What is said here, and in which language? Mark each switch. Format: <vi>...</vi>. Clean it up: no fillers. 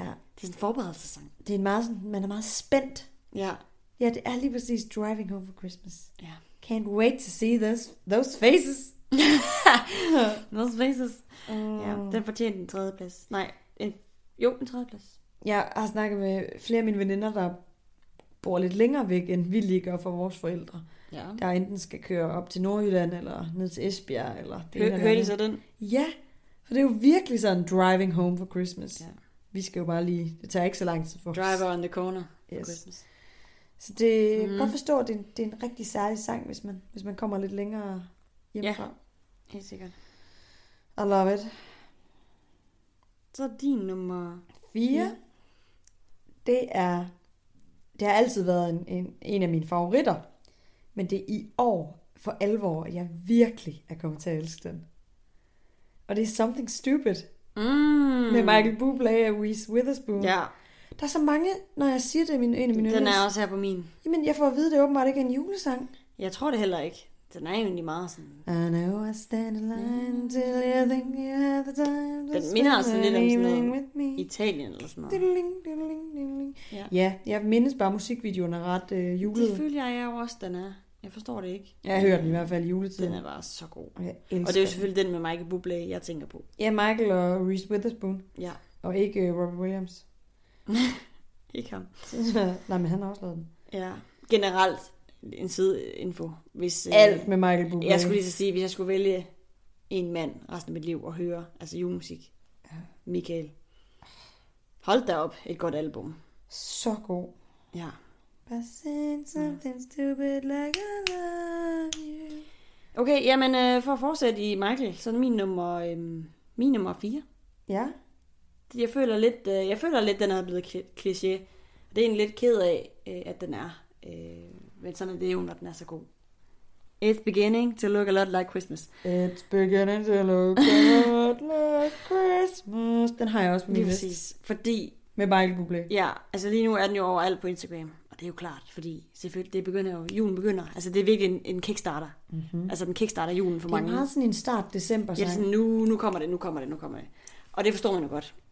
<da>Det er en forberedelsesang. Det er en meget, man er meget spændt. Ja. Ja, det er lige præcis Driving Home for Christmas. Ja.</da> <en>Can't wait to see those faces. Those faces.</en> <da>Ja, den fortjener en tredje plads. Nej, en tredje plads. Ja, jeg har snakket med flere af mine veninder, der bor lidt længere væk, end vi lige gør for vores forældre. Ja. Der enten skal køre op til Nordjylland, eller ned til Esbjerg. Eller hører de så den? Ja, for det er jo virkelig sådan Driving Home for Christmas. Ja. Vi skal jo bare lige, det tager ikke så lang tid for os.</da> <en>Drive on the corner for yes. Christmas.</en> <da>Så det er godt forstå, at det er en rigtig særlig sang, hvis man kommer lidt længere hjemmefra. Ja, helt sikkert.</da> <en>I love it.</en> <da>Så din nummer 4. Det har altid været en af mine favoritter. Men det er i år, for alvor, at jeg virkelig er kommet til at elske den. Og det er Something Stupid. Med Michael Bublé og Reese Witherspoon. Ja. Der er så mange, når jeg siger det, en af mine yndlings. Den er også her på min. Jamen, jeg får at vide, det åbenbart ikke er en julesang. Jeg tror det heller ikke. Den er egentlig meget sådan.</da> <en>I know I stand in line till you think you have the time.</en> <da>Den minder også lidt om sådan noget Italien eller sådan noget. Ja, jeg mindes bare musikvideoen er ret julet. Det føler jeg jo også, den er. Jeg forstår det ikke. Jeg har hørt den i hvert fald i juletiden. Den er bare så god. Og det er jo selvfølgelig den med Michael Bublé, jeg tænker på. Ja, Michael og Reese Witherspoon. Ja. Og ikke Robert Williams. Ikke ham. Nej, men han har også lavet den. Ja. Generelt en sideinfo. Alt med Michael Bublé. Jeg skulle lige så sige, hvis jeg skulle vælge en mand resten af mit liv at høre, altså julemusik, ja. Michael. Hold da op, et godt album. Så god. Ja. Bare</da> <en>saying something stupid like I love you.</en> <da>Okay, jamen for at fortsætte i Michael, så er min nummer min nummer 4. Ja. Jeg føler lidt den er blevet kliché. Det er en lidt ked af at den er. Men sådan er det jo, når den er så god.</da> <en>It's beginning to look a lot like Christmas. It's beginning to look a lot like Christmas.</en> <da>Den har jeg også på min liste. Fordi med Michael Bublé. Ja, altså lige nu er den jo overalt på Instagram. Og det er jo klart, fordi selvfølgelig, det begynder jo, julen begynder. Altså det er virkelig en kickstarter. Mm-hmm. Altså den kickstarter julen for mange. Det er meget sådan en start december. Ja, sådan nu kommer det. Og det forstår man jo godt.</da>